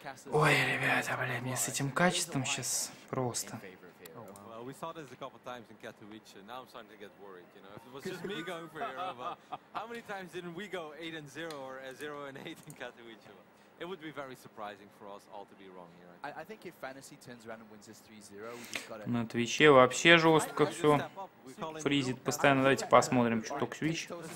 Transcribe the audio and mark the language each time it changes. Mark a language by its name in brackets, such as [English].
[Russian] Ой, ребята, блин, мне с этим качеством сейчас просто. [English] We saw this a couple of times in Katowice, and now I'm starting to get worried, you know, if it was just me going for Hero, but how many times didn't we go 8-0 or 0-8 in Katowice? It would be very surprising for us all to be wrong here. I think if Fantasy turns around and wins this 3-0, we just got it. [Russian] На Твиче вообще жестко все. Фризит постоянно. Давайте посмотрим, что только Твич.